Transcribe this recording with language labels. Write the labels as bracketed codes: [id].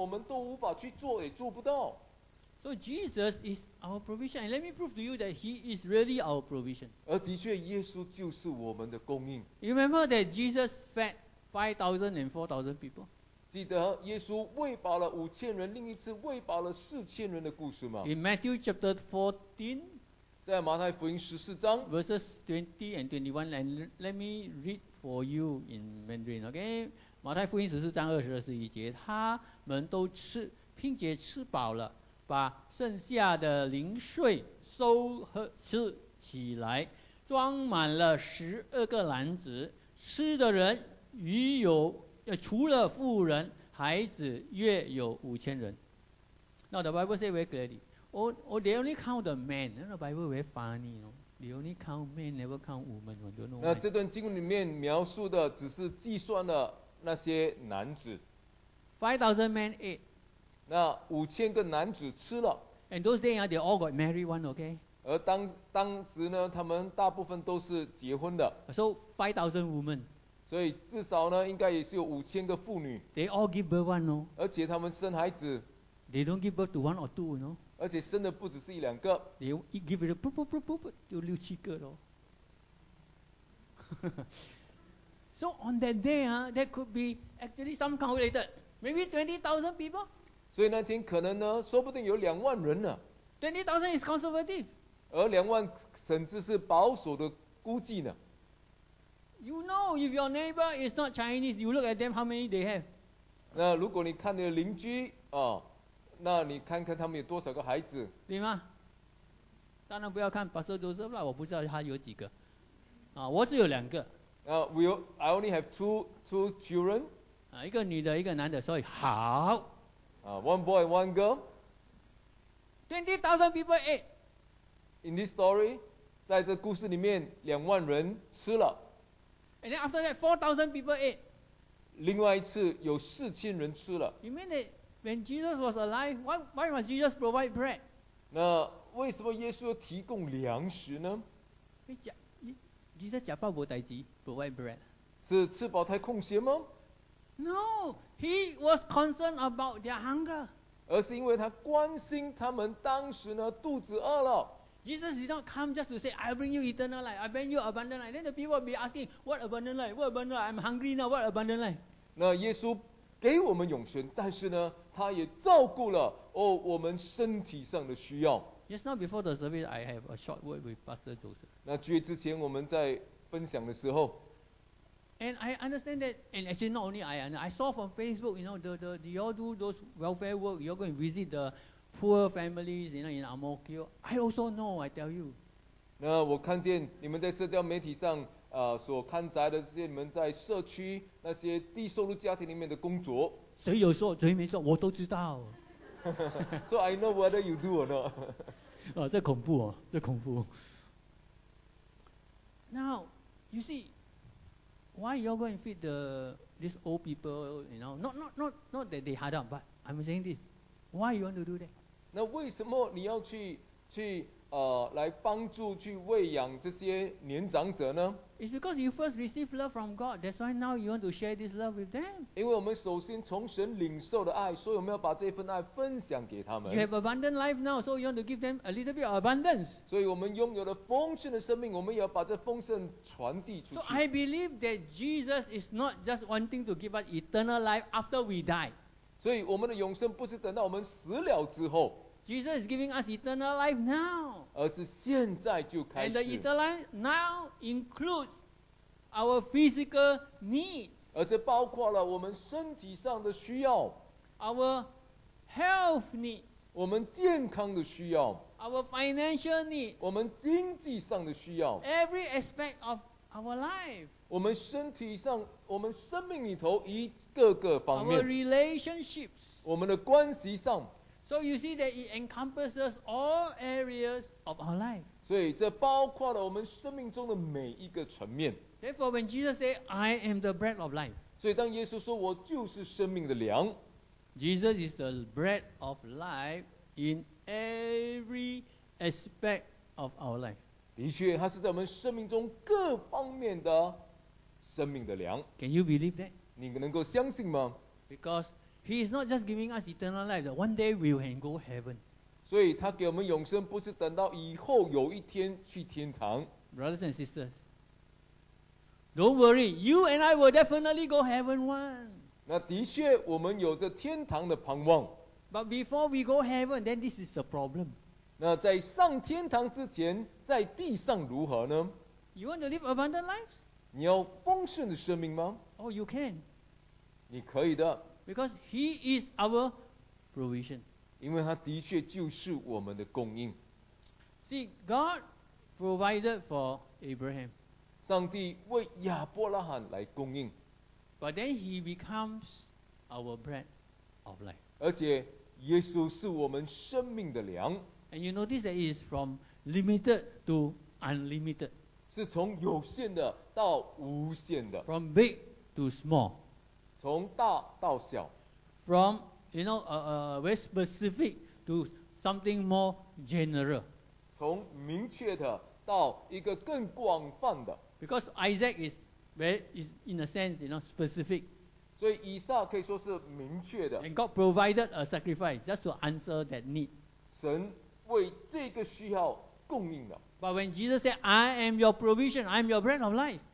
[zh] 那如果按照自己的想法，哎，那些事情我们都无法去做，也做不到。 [en] So Jesus is our provision, and let me prove to you that He is really our provision. [zh] 而的确，耶稣就是我们的供应。 [en] You remember that Jesus fed 5,000 and 4,000 people. [zh] 记得耶稣喂饱了5,000人，另一次喂饱了4,000人的故事吗？ [en] In Matthew chapter 14, [zh] 在马太福音十四章 [en] verses 20 and 21 and let me read for you in Mandarin, okay? [zh] 马太福音十四章二十二十一节，他们都吃，并且吃饱了，把剩下的零碎收和吃起来，装满了十二个篮子。吃的人余有，除了妇人、孩子，约有五千人。 [en] Now the Bible says very clearly, oh, they only count the men. The Bible very funny, you know. They only count men, never count women. I don't know. [zh] 那这段经文里面描述的只是计算了那些男子。 [en] 5,000 men ate. [zh] 那五千个男子吃了。 [en] And those days, they all got married, one, okay? [zh] 而当时呢，他们大部分都是结婚的。 [en] So 5,000 women. [zh] 所以至少呢，应该也是有五千个妇女。 [en] They all give birth one, no. [zh] 而且他们生孩子。 [en] They don't give birth to one or two, no. [zh] 而且生的不只是一两个。 [en] They give it a boop boop boop boop, [zh] 就六七个咯。 [en] So on that day, there could be actually some calculated, maybe 20,000 people. [zh] 所以那天可能呢，说不定有两万人呢。 [en] 20,000 is conservative. [zh] 而两万甚至是保守的估计呢。 [en] You know, if your neighbor is not Chinese, you look at them, how many they have. [zh] 那如果你看你的邻居啊，那你看看他们有多少个孩子，对吗？当然不要看 Pastor Joseph 啦，我不知道他有几个，啊，我只有两个。 [en] I only have two children. [zh] 啊，一个女的，一个男的，所以好。 [en] 啊 ，one boy, one girl. 20,000 people ate. In this story, [zh] 在这故事里面，两万人吃了。 [en] And then after that, 4,000 people ate. [zh] 另外一次有四千人吃了。 [en] You mean that when Jesus was alive, why must Jesus provide bread? [zh] 那为什么耶稣要提供粮食呢？ [en] Jesus [zh] 吃饱没事情 [en] provide bread. [zh] 是吃饱太空闲吗？ [en] No, he was concerned about their hunger. [zh] 而是因为他关心他们当时呢肚子饿了。 [en] Jesus did not come just to say, I bring you eternal life, I bring you abundant life. Then the people will be asking, what abundant life? What abundant life? I'm hungry now, what abundant life? [zh] 那耶稣给我们永生，但是呢，他也照顾了哦，我们身体上的需要。 [en] Just now before the service, I have a short word with Pastor Joseph. [zh] 那聚会之前我们在分享的时候。 [en] And I understand that, and actually not only I saw from Facebook, you know, do you all do those welfare work, you all go and visit the... Poor families, you know, in Amokyo. I also know, I tell you. [zh] 那我看见你们在社交媒体上，所看宅的这些你们在社区那些低收入家庭里面的工作。谁有说，谁没说，我都知道。 [en] So I know whether you do or not. [zh] 啊，这恐怖哦，这恐怖。 [en] Now, you see, why you're going to feed these old people, you know, not that they had up, but I'm saying this. Why you want to do that? [zh] 那为什么你要去来帮助去喂养这些年长者呢？ [en] It's because you first receive love from God. That's why now you want to share this love with them. [zh] 因为我们首先从神领受的爱，所以我们要把这份爱分享给他们。 [en] You have abundant life now, so you want to give them a little bit of abundance. [zh] 所以我们拥有了丰盛的生命，我们也要把这丰盛传递出去。 [en] So I believe that Jesus is not just wanting to give us eternal life after we die. [zh] 所以我们的永生不是等到我们死了之后。 [en] Jesus is giving us eternal life now. [zh] 而是现在就开始。 [en] And the eternal life now includes our physical needs. [zh] 而这包括了我们身体上的需要。 [en] Our health needs. [zh] 我们健康的需要。 [en] Our financial needs. [zh] 我们经济上的需要。 [en] Every aspect of our life. [zh] 我们身体上，我们生命里头一个个方面。 [en] Our relationships. [zh] 我们的关系上。 [en] So you see that it encompasses all areas of our life. [zh] 所以这包括了我们生命中的每一个层面。 [en] Therefore, when Jesus said, "I am the bread of life." [zh] 所以当耶稣说我就是生命的粮。 [en] Jesus is the bread of life in every aspect of our life. [zh] 的确，它是在我们生命中各方面的生命的粮。 [en] Can you believe that? [zh] 你能够相信吗 [en] ？Because he is not just giving us eternal life. That one day we can go heaven. [zh] 所以他给我们永生，不是等到以后有一天去天堂。 [en] Brothers and sisters, don't worry. You and I will definitely go heaven one. [zh] 那的确，我们有着天堂的盼望。 [en] But before we go heaven, then this is the problem. [zh] 那在上天堂之前，在地上如何呢？ [en] You want to live abundant life? [zh] 你要丰盛的生命吗？ [en] Oh, you can. [zh] 你可以的。 [en] Because he is our provision. [zh] 因为他的确就是我们的供应。 [en] See, God provided for Abraham. [zh] 上帝为亚伯拉罕来供应。 [en] But then he becomes our bread of life. [zh] 而且耶稣是我们生命的粮。 [en] And you notice that it is from limited to unlimited. [zh] 是从有限的到无限的。 [en] From big to small. [zh] 从大到小。 [en] From, you know, very specific to something more general. [zh] 从明确的到一个更广泛的。 [en] Because Isaac is in a sense, you know, specific. [zh] 所以以撒可以说是明确的。 [en] And God provided a sacrifice just to answer that need. [zh] 神为这个需要供应的。 [en] But when Jesus said, I am your provision, I am your bread of life.